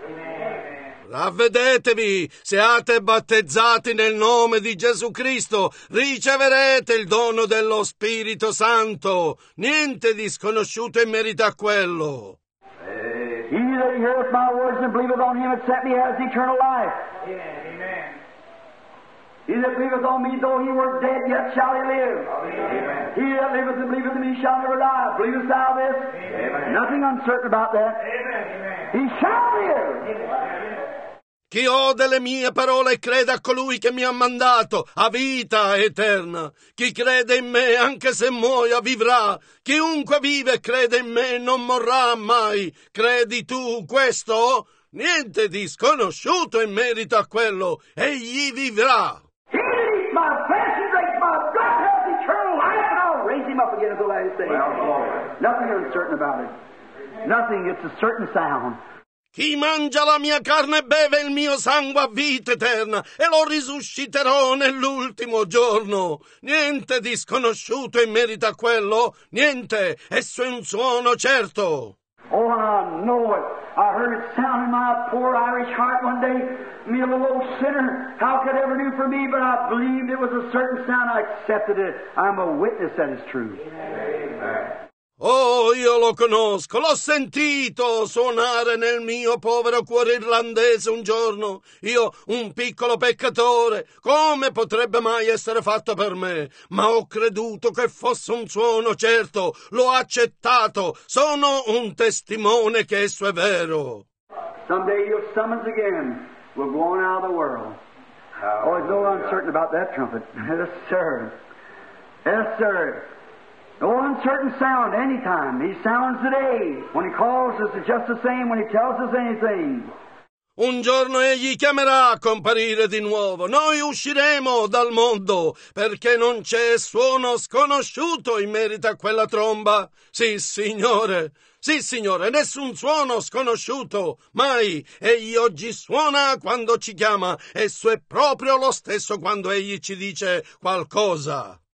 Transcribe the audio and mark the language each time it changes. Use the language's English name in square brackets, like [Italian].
[English] Amen. [Italian] Ravvedetevi, siate battezzati nel nome di Gesù Cristo, riceverete il dono dello Spirito Santo. Niente di sconosciuto in merito a quello. [English] Amen. He that heareth my words and believeth on him that sent me has eternal life. Amen. He that believeth on me, though he were dead, yet shall he live. Amen. He that liveth and believeth in me shall never die. Believest thou this? Amen. Nothing uncertain about that. Amen. He shall live. Amen. [Italian] Chi ode le mie parole e crede a colui che mi ha mandato, ha vita eterna. Chi crede in me, anche se muoia, vivrà. Chiunque vive e crede in me non morrà mai. Credi tu questo? Niente di sconosciuto in merito a quello. Egli vivrà. [English] He that eats my flesh and drinks my blood has eternal life, and I'll raise him up again at the last day. Well, nothing uncertain about it. Nothing, it's a certain sound. [Italian] Chi mangia la mia carne e beve il mio sangue ha vita eterna e lo risusciterò nell'ultimo giorno. Niente di sconosciuto in merito a quello. Niente, esso è un suono certo. [English] Oh, I know it. I heard it sound in my poor Irish heart one day. Me, a little old sinner, how could it ever do for me? But I believed it was a certain sound. I accepted it. I'm a witness that is true. Amen. [Italian] Oh, io lo conosco, l'ho sentito suonare nel mio povero cuore irlandese un giorno. Io, un piccolo peccatore, come potrebbe mai essere fatto per me? Ma ho creduto che fosse un suono certo, l'ho accettato, sono un testimone che esso è vero. [English] Someday your summons again will go on out of the world. Oh, it's no uncertain about that trumpet. Yes, sir. Yes, sir. No uncertain sound anytime. He sounds today. When he calls us, it's just the same when he tells us anything. [Italian] Un giorno egli chiamerà a comparire di nuovo. Noi usciremo dal mondo perché non c'è suono sconosciuto in merito a quella tromba. Sì, Signore. Sì, Signore. Nessun suono sconosciuto. Mai. Egli oggi suona quando ci chiama. Esso è proprio lo stesso quando egli ci dice qualcosa.